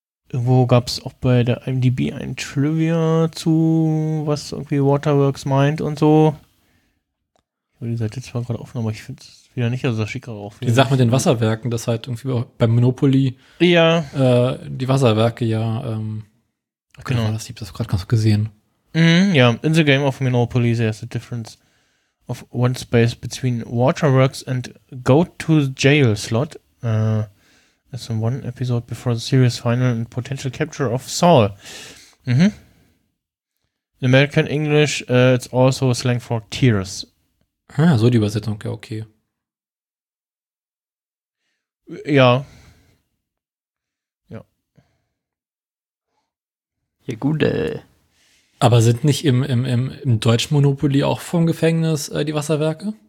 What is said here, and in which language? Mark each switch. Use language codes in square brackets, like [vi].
[de] Irgendwo gab es auch bei der IMDb ein Trivia zu, was irgendwie Waterworks meint und so. Ich habe die Seite zwar gerade offen, aber ich finde es wieder nicht, also das schicke auch. Die Sache mit den Wasserwerken, dass halt irgendwie bei Monopoly ja. Die Wasserwerke ja genau. Ja, das habe ich gerade ganz gesehen. [en] Ja, in the game of Monopoly there's a difference of one space between Waterworks and go to jail slot. As in one episode before the series final and potential capture of Saul. Mhm. In American English, it's also a slang for tears. [de] Ah, so die Übersetzung, ja, okay. Ja. Ja. Ja, gut, Aber sind nicht im Deutsch Monopoly auch vom Gefängnis die Wasserwerke?